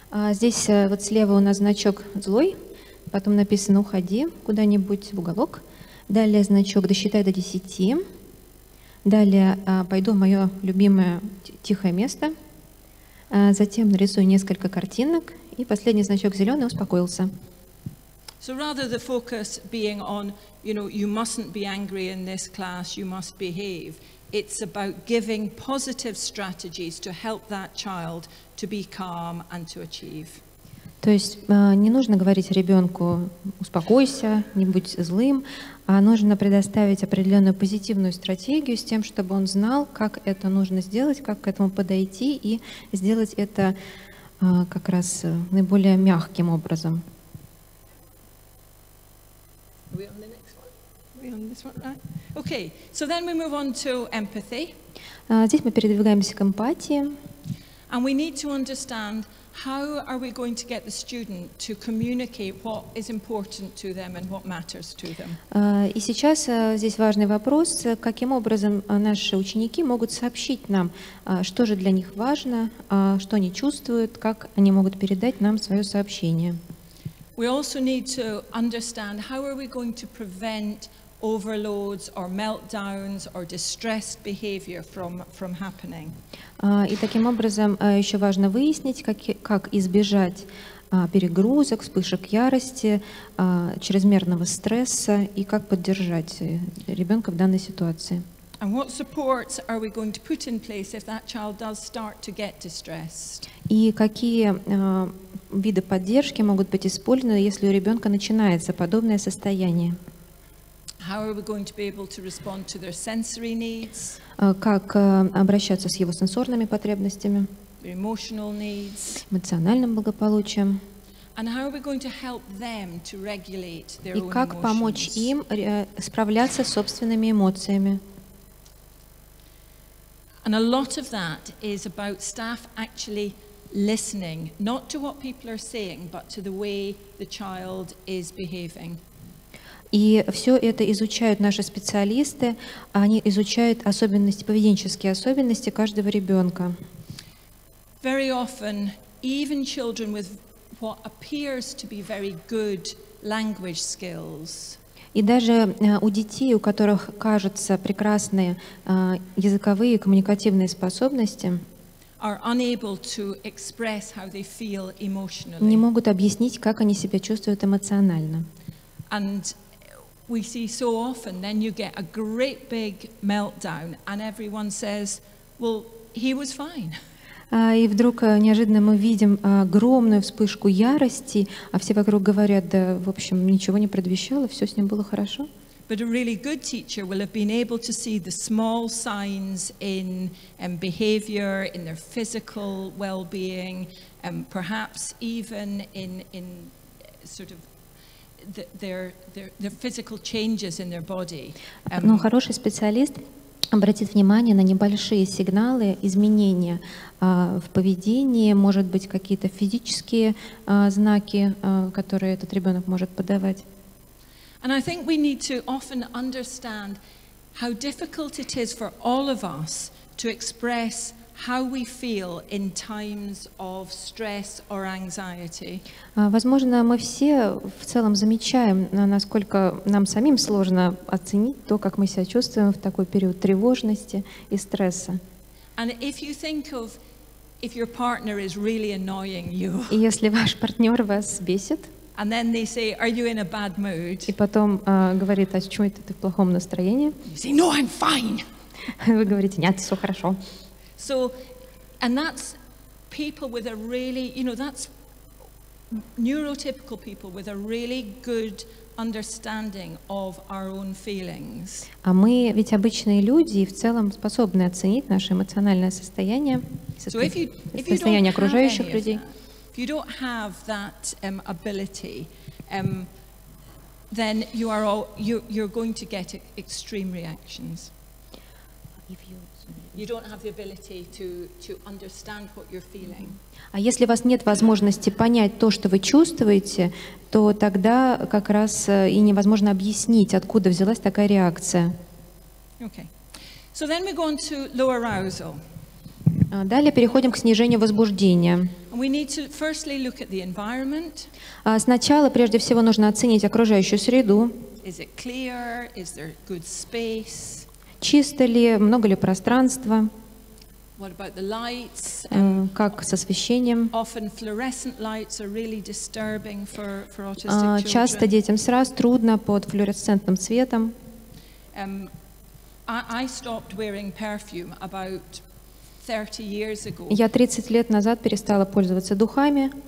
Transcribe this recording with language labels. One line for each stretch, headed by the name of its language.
Russian: Здесь вот слева у нас значок злой, потом написано уходи куда-нибудь в уголок. Далее значок досчитай до 10. Далее пойду в мое любимое тихое место. Затем нарисую несколько картинок. И последний значок зеленый успокоился.
English: So rather the focus being on, you know, you mustn't be angry in this class, you must behave. It's about giving positive strategies to help that child to be calm and to achieve.
Russian: То есть не нужно говорить ребенку успокойся, не будь злым, а нужно предоставить определенную позитивную стратегию с тем, чтобы он знал, как это нужно сделать, как к этому подойти и сделать это как раз наиболее мягким образом.
English: Okay, so then we move on to empathy.
Russian: Здесь мы передвигаемся к эмпатии.
English: And we need to understand how are we going to get the student to communicate what is important to them and what matters to them.
Russian: И сейчас здесь важный вопрос, каким образом наши ученики могут сообщить нам, что же для них важно, что они чувствуют, как они могут передать нам свое сообщение.
English: We also need to understand how are we going to prevent overloads or meltdowns or distressed behavior from happening.
Russian: И таким образом еще важно выяснить, как избежать перегрузок, вспышек ярости, чрезмерного стресса и как поддержать ребенка в данной ситуации.
English: And what supports are we going to put in place if that child does start to get distressed?
Russian: И какие виды поддержки могут быть использованы, если у ребенка начинается подобное состояние?
English: How are we going to be able to respond to their sensory needs?
Russian: Как обращаться с его сенсорными потребностями?
English: Their emotional needs.
Russian: Эмоциональным благополучием.
English: And how are we going to help them to regulate their own emotions?
Russian: И как помочь им справляться с собственными эмоциями?
English: And a lot of that is about staff actually listening, not to what people are saying, but to the way the child is behaving.
Russian: И все это изучают наши специалисты, они изучают особенности, поведенческие особенности каждого ребенка.
English: Very often, even children with what appears to be very good language skills.
Russian: И даже у детей, у которых кажутся прекрасные языковые и коммуникативные способности,
English: are unable to express how they feel emotionally.
Russian: Не могут объяснить, как они себя чувствуют эмоционально.
English: And we see so often, then you get a great big meltdown, and everyone says, "Well, he was fine."
Russian: И вдруг неожиданно мы видим огромную вспышку ярости, а все вокруг говорят: "Да, в общем, ничего не предвещало, все с ним было хорошо."
English: But a really good teacher will have been able to see the small signs in behavior, in their physical well-being, and perhaps even in sort of. Their physical changes in their body.
Russian: Но хороший специалист обратит внимание на небольшие сигналы изменения в поведении, может быть, какие-то физические знаки, которые этот ребенок может подавать.
English: And I think we need to often understand how difficult it is for all of us to express how we feel in times of stress or anxiety.
Russian: Возможно, мы все в целом замечаем, насколько нам самим сложно оценить то, как мы себя чувствуем в такой период тревожности и стресса.
English: And if you think of if your partner is really annoying you.
Russian: И если ваш партнер вас бесит.
English: And then they say, "Are you in a bad mood?"
Russian: И потом говорит: "А что это ты в плохом настроении?"
English: You say, "No, I'm fine."
Russian: Вы говорите: "Нет, все хорошо."
English: So, and that's people with a really, you know, that's neurotypical people with a really good understanding of our own feelings.
Russian: А мы ведь обычные люди и в целом способны оценить наше эмоциональное состояние, состояние окружающих людей.
English: If you don't have that ability, then you are all you're going to get extreme reactions. If you don't have the ability to understand what you're feeling.
Russian: А если у вас нет возможности понять то, что вы чувствуете, то тогда как раз и невозможно объяснить, откуда взялась такая реакция.
English: Okay. So then we go on to low arousal.
Russian: Далее переходим к снижению возбуждения.
English: We need to firstly look at the environment.
Russian: Сначала, прежде всего, нужно оценить окружающую среду.
English: Is it clear? Is there good space?
Russian: Чисто ли, много ли пространства?
English: What about the lights?
Russian: Как с освещением?
English: Often fluorescent lights are really disturbing for autistic children.
Russian: Часто детям СРАС трудно под флуоресцентным цветом.
English: I stopped wearing perfume about 30 years ago.
Russian: Я 30 лет назад перестала пользоваться духами.